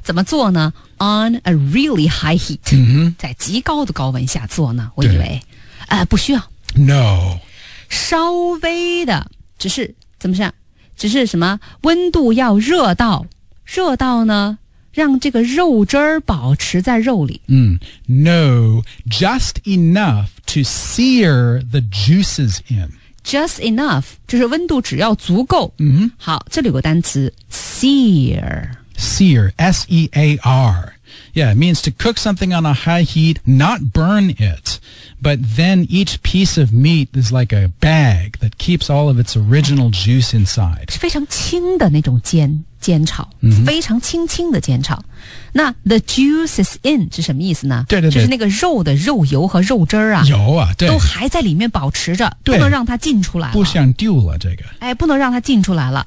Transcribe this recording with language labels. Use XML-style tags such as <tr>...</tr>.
<zh>怎么做呢</zh> <en>On a really high heat、</en> <zh>在极高的高温下做呢我以为不需要</zh> <en>No</en> <zh>稍微的只是怎么想只是什么温度要热到热到呢让这个肉汁儿保持在肉里、</zh> <en>No Just enough to sear the juices in Just enough,</en> <zh>就是温度只要足够。好这里有个单词 ,sear.</zh> <en>Sear, S-E-A-R. Yeah, it means to cook something on a high heat, not burn it. But then each piece of meat is like a bag that keeps all of its original juice inside.</en> <zh>是非常轻的那种煎炒、非常轻轻的煎炒。那</zh> <en>the juice is in</en> <zh>是什么意思呢对对对就是那个肉的肉油和肉汁啊油啊对都还在里面保持着不能让它进出来了不想丢了这个哎，不能让它进出来了</zh>